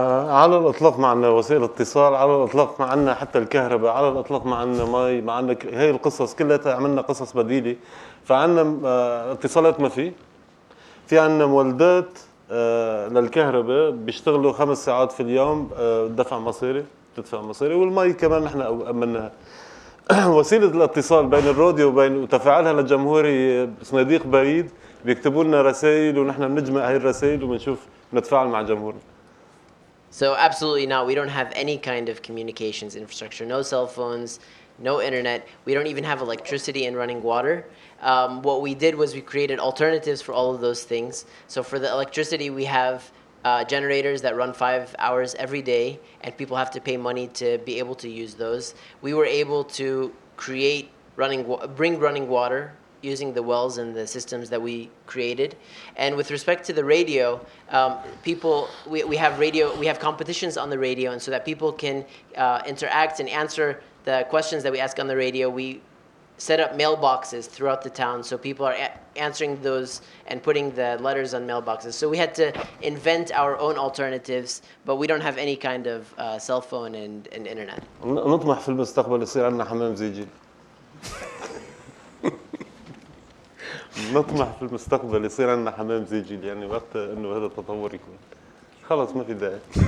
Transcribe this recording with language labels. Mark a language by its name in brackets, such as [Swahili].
[Arabic] على الاطلاق ما عندنا وسائل اتصال على الاطلاق ما عندنا حتى الكهرباء على الاطلاق ما عندنا مي ما عندنا هاي القصص كلها عملنا قصص بديله فعندنا اتصالات ما في في عندنا مولدات للكهرباء بيشتغلوا 5 ساعات في اليوم دفع مصاري تدفع مصاري والمي كمان نحن امنها وسيله الاتصال بين الراديو وبين وتفاعلها للجمهور صناديق بريد بيكتبوا لنا رسائل ونحن بنجمع هاي الرسائل وبنشوف نتفاعل مع جمهورنا. [English] So absolutely not. We don't have any kind of communications infrastructure. No cell phones, no internet. We don't even have electricity and running water. What we did was we created alternatives for all of those things. So for the electricity, we have generators that run 5 hours every day, and people have to pay money to be able to use those. We were able to create bring running water using the wells and the systems that we created. And with respect to the radio, we have competitions on the radio, and so that people can interact and answer the questions that we ask on the radio, we set up mailboxes throughout the town, so people are answering those and putting the letters on mailboxes. So we had to invent our own alternatives, but we don't have any kind of cell phone and internet. [Arabic] نطمح في المستقبل يصير عندنا حمام زيجي. نطمح في المستقبل يصير عندنا حمام زيجيل يعني وقت انه هذا التطور يكون خلص ما في داعي.